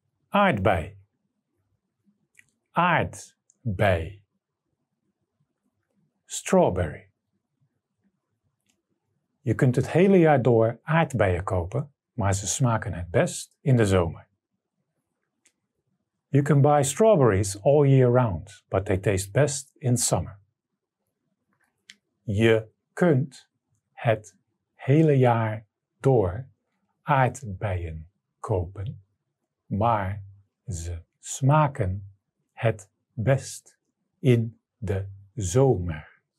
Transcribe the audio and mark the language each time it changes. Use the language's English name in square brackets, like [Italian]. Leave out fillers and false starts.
[Dutch] Aardbei. Aardbei. [English] Strawberry. [Dutch] Je kunt het hele jaar door aardbeien kopen, maar ze smaken het best in de zomer. [English] You can buy strawberries all year round, but they taste best in summer. [Dutch] Je kunt het hele jaar door aardbeien kopen, maar ze smaken het best in de zomer.